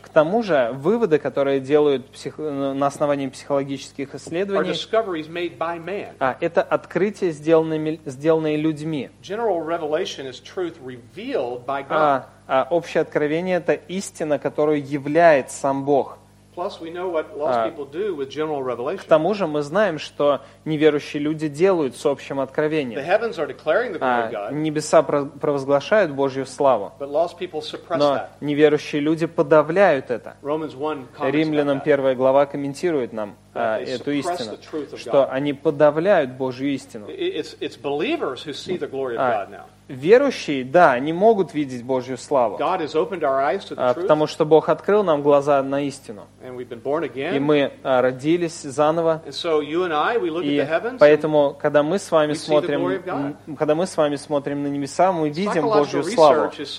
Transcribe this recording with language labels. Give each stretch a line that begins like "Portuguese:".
Russian: К тому же, выводы, которые делают на основании психологических исследований,
English: are discoveries made by man.
Russian: Это открытия, сделанные людьми.
English: General revelation is truth revealed by God.
Russian: Общее откровение – это истина, которую являет сам Бог.
English: Plus, we know what lost people do with general revelation.
Russian: К тому же мы знаем, что неверующие люди делают с общим откровением.
English: The heavens are declaring the glory of God.
Russian: Небеса провозглашают Божью славу.
English: But lost people suppress
Russian: но
English: that.
Russian: Но неверующие люди подавляют это.
English: Romans 1 comments
Russian: Римлянам 1 глава комментирует нам эту истину, что они подавляют Божью истину.
English: It's believers who see the glory of God now.
Russian: Верующие, да, они могут видеть Божью славу, потому что Бог открыл нам глаза на истину. И мы родились заново. И поэтому, когда мы с вами смотрим на небеса, мы видим Божью славу.